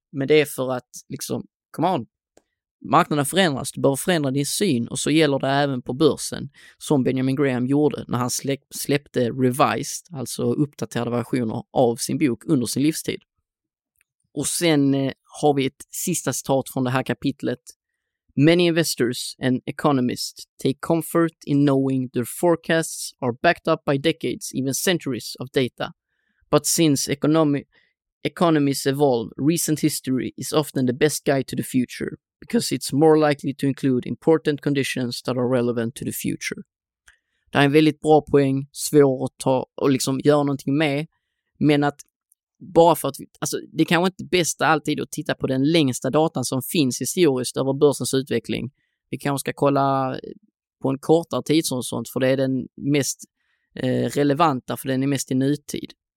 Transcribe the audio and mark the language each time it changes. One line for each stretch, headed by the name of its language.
Swedish: Men det är för att liksom,
English: come on,
Swedish: marknaden förändras, du behöver förändra din syn, och så gäller det även på börsen som Benjamin Graham gjorde när han släppte revised, alltså uppdaterade versioner av sin bok under sin livstid. Och sen har vi ett sista citat från det här kapitlet.
English: Many investors and economists take comfort in knowing their forecasts are backed up by decades, even centuries of data. But since economies evolve, recent history is often the best guide to the future, because it's more likely to include important conditions that are relevant to the future.
Swedish: Det är en väldigt bra poäng, svår att ta och liksom göra någonting med, men att bara för att, alltså det kanske inte bästa alltid att titta på den längsta datan som finns historiskt över börsens utveckling. Vi kanske ska kolla på en kortare tidshorisont, för det är den mest relevanta, för den är mest i nutid.